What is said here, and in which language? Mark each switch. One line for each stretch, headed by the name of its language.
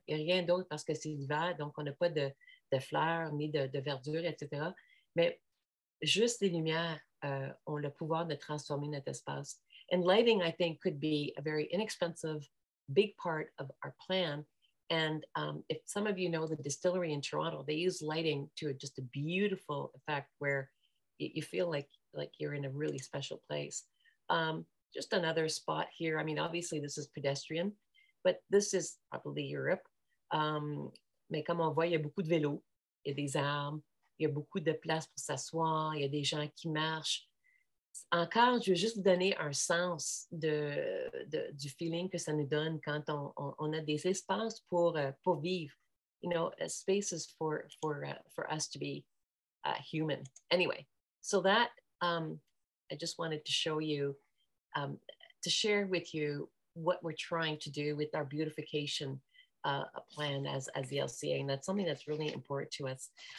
French: Il n'y a rien d'autre parce que c'est l'hiver, donc on n'a pas de fleurs ni de verdure, etc. Mais juste les lumières ont le pouvoir de transformer notre espace.
English: And lighting, I think, could be a very inexpensive, big part of our plan. And if some of you know the distillery in Toronto, they use lighting to just a beautiful effect where you feel like you're in a really special place. Just another spot here. I mean, obviously this is pedestrian, but this is probably Europe.
French: Mais comme on voit, il y a beaucoup de vélos, il y a des arbres, il y a beaucoup de place pour s'asseoir, il y a des gens qui marchent. Encore, je veux juste vous donner un sens du feeling que ça nous donne quand on a des espaces pour vivre.
English: You know, spaces for us to be human. Anyway, so that I just wanted to show you, to share with you what we're trying to do with our beautification plan as the LCA, and that's something that's really important to us.